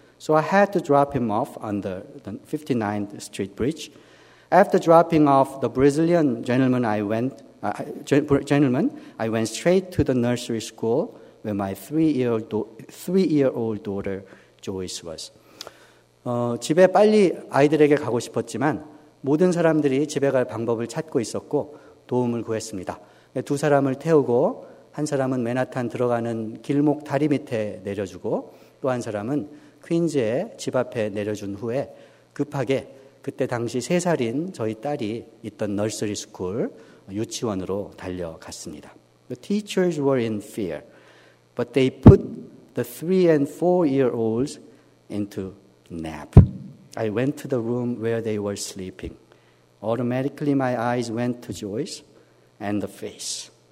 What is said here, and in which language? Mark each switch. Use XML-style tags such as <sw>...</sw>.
<en>So I had to drop him off on the 59th Street Bridge. After dropping off the Brazilian gentleman, I went straight to the nursery school where my three-year-old daughter Joyce was.</en> <ko>집에 빨리 아이들에게 가고 싶었지만 모든 사람들이 집에 갈 방법을 찾고 있었고 도움을 구했습니다. 두 사람을 태우고 한 사람은 맨하탄 들어가는 길목 다리 밑에 내려주고 또 한 사람은 퀸즈의 집 앞에 내려준 후에 급하게 그때 당시 3살인 저희 딸이 있던 nursery school 유치원으로 달려갔습니다.</ko> <en>The teachers were in fear, but they put the 3 and 4 year olds into nap. I went to the room where they were sleeping. Automatically, my eyes went to Joyce and the face.</en>